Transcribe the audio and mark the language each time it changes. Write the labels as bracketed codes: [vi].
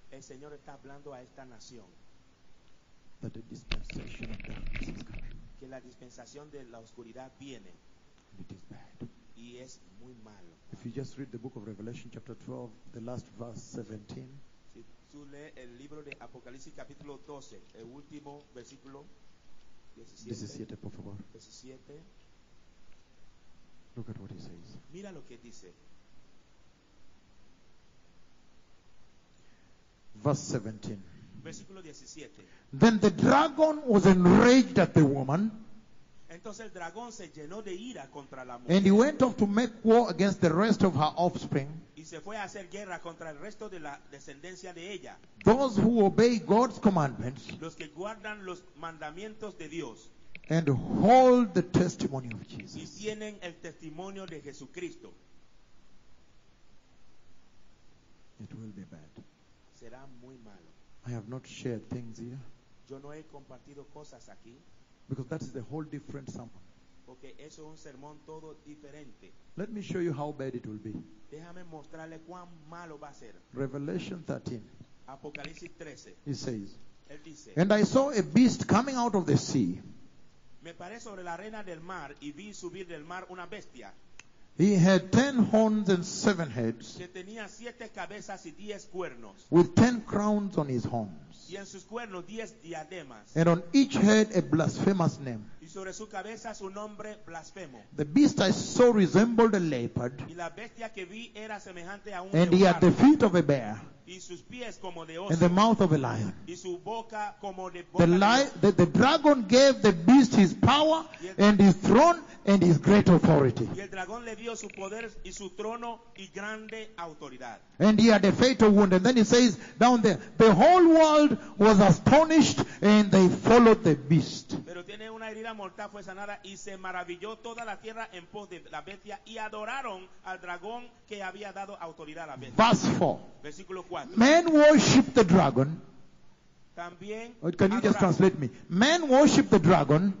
[es] El Señor está hablando a esta nación. [en] That the dispensation of darkness is coming. [es] Que la dispensación de la oscuridad viene. [en] And it is bad. [es] Y es muy malo. [en] If you just read the book of Revelation chapter 12, the last verse 17. [es] Si tú lees el libro de Apocalipsis capítulo 12, el último versículo. 17, por favor. 17. [en] Look at what he says. [es] Mira lo que dice. [en] Verse 17. [es] Versículo 17. [en] Then the dragon was enraged at the woman. [es] En, Entonces el dragón se llenó de ira contra la mujer. [en] And he went off to make war against the rest of her offspring. [es] Y se fue a hacer guerra contra el resto de la descendencia de ella. [en] Those who obey God's commandments. [es] Los que guardan los mandamientos de Dios. [en] And hold the testimony of Jesus. [es] Y tienen el testimonio de Jesucristo. [en] It will be bad. [es] Será muy malo. [en] I have not shared things here. [es] Yo no he compartido cosas aquí. [en] Because that is a whole different sermon. [es] Porque eso es un sermón todo diferente. [en] Let me show you how bad it will be. [es] Déjame mostrarle cuán malo va a ser. [en] Revelation 13. [es] Apocalipsis 13. [en] He says. [es] Él dice, [en] and I saw a beast coming out of the sea. [es] Me paré sobre la arena del mar y vi subir del mar una bestia. [en] He had 10 horns and 7 heads. [es] Que tenía 7 cabezas y 10 cuernos. [en] With 10 crowns on his horns. [es] Y en sus cuernos 10 diademas. [en] And on each head a blasphemous name. [es] Y sobre su cabeza su nombre blasfemo. [en] The beast I saw resembled a leopard. [es] Y la bestia que vi era semejante a un leopardo. [en] And he had the feet of a bear. [es] Y sus pies como de oso. [en] And the mouth of a lion. [es] Y su boca como de boca. [en] The dragon gave the beast his power and his throne and his great authority. [es] Y el dragón le dio su poder y su trono y grande autoridad. [en] And he had a fatal wound. And then he says down there, the whole world was astonished and they followed the beast. [es] Pero tiene una herida mortal, fue sanada y se maravilló toda la tierra en pos de la bestia y adoraron al dragón que había dado autoridad a la bestia. [en] Verse 4. [es] Versículo 4. [en] Men worship the dragon. [es] También [en] can adoraron. You just translate me? Men worship the dragon.